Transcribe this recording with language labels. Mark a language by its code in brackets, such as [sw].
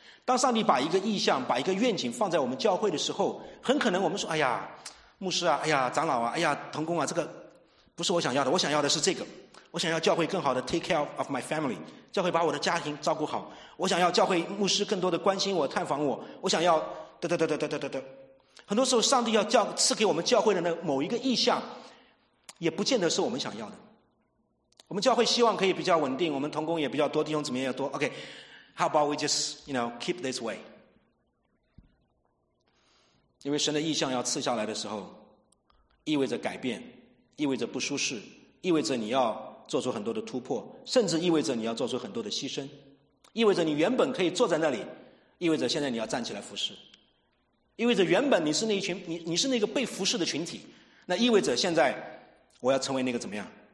[zh] 当上帝把一个意向把一个愿景放在我们教会的时候，很可能我们说，哎呀牧师啊，哎呀长老啊，哎呀同工啊，这个不是我想要的，我想要的是这个，我想要教会更好的 [en] take care of my family, [zh] 教会把我的家庭照顾好，我想要教会牧师更多的关心我探访我，我想要得得得得得得得得。很多时候上帝要教赐给我们教会的那某一个意向也不见得是我们想要的。我们教会希望可以比较稳定，我们同工也比较多，弟兄姊妹也多。 [en] OK, how about we just, you know, keep this way? [zh] 因为神的意象要赐下来的时候，意味着改变，意味着不舒适，意味着你要做出很多的突破，甚至意味着你要做出很多的牺牲，意味着你原本可以坐在那里，意味着现在你要站起来服侍，意味着原本你是那一群，你是那个被服侍的群体，那意味着现在我要成为那个怎么样？